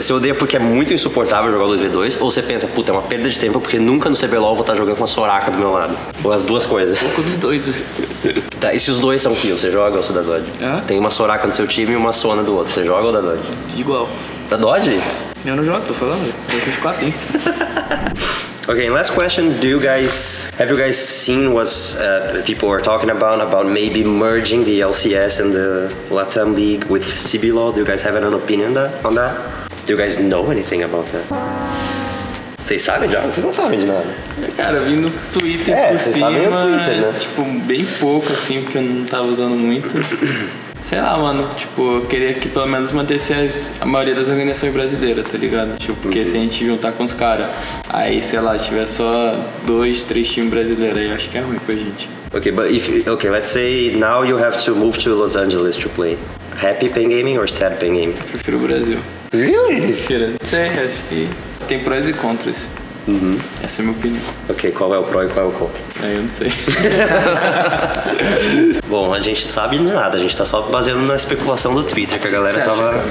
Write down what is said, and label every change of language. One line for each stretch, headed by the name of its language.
Portuguese: Você odeia porque é muito insuportável jogar 2v2, ou você pensa, puta, é uma perda de tempo porque nunca no CBLOL vou estar jogando com a Soraka do meu lado? Ou as duas coisas? Um pouco dos dois. Tá, e se os dois são kill, você joga ou você dá dodge? Hã? Tem uma Soraka no seu time e uma Sona do outro, você joga ou dá dodge? Igual. Dá dodge? Eu não jogo, tô falando, deixa eu ficar atento.
English: Okay, last question. Have you guys seen what people are talking about maybe merging the LCS and the LATAM League with CBLOL? Do you guys have an opinion on that? Do you guys know anything about that?
Portuguese: Vocês sabem, já? Vocês não sabem de nada. Cara, eu vi no Twitter por cima. É, vocês sabem no Twitter, né? Tipo, bem pouco, assim, porque eu não tava usando muito. Sei lá, mano, tipo, eu queria que pelo menos mantesse a maioria das organizações brasileiras, tá ligado? Tipo, porque se a gente juntar com os caras, aí, sei lá, tiver só 2, 3 times brasileiros, aí eu acho que é ruim pra gente.
English: Ok, but if, ok, let's say now you have to move to Los Angeles to play. Happy Pain Gaming or Sad Pain Gaming?
Portuguese: Eu prefiro o Brasil.
English: Really?
Portuguese: Mentira, não sei, acho que tem prós e contras. Uhum. Essa é a minha opinião. Ok, qual é o pro e qual é o contra? Aí eu não sei. Bom, a gente não sabe nada, a gente tá só baseando na especulação do Twitter que a galera acha, tava cara?